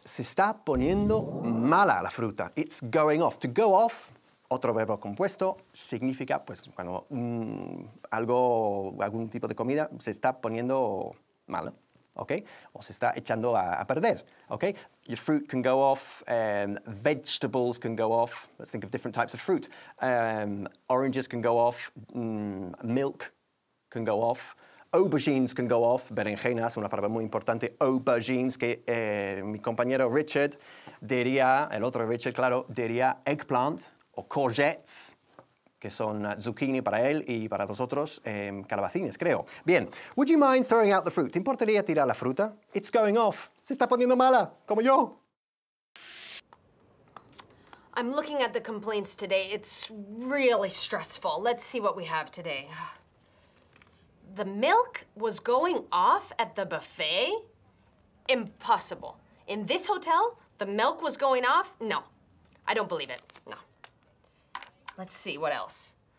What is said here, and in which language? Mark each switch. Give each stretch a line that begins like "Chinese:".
Spanish: Se está poniendo mala la fruta.
English: It's going off. To go off,
Spanish: otro verbo compuesto, significa, pues, cuando algo, algún tipo de comida se está poniendo malo, ¿ok? O se está echando a perder, ¿ok?
English: Your fruit can go off, vegetables can go off, let's think of different types of fruit. Oranges can go off,
Spanish: milk can go off, aubergines can go off, berenjenas, una palabra muy importante, aubergines, que mi compañero Richard diría, el otro Richard, claro, diría eggplant, o courgettes, que son zucchini para él y para vosotros, calabacines, creo.
English: Bien, would you mind throwing out the fruit?
Spanish: ¿Te importaría tirar la fruta?
English: It's going off.
Spanish: Se está poniendo mala, como yo.
English: I'm looking at the complaints today. It's really stressful. Let's see what we have today. The milk was going off at the buffet? Impossible. In this hotel, the milk was going off? No, I don't believe it, no. Let's see, what else?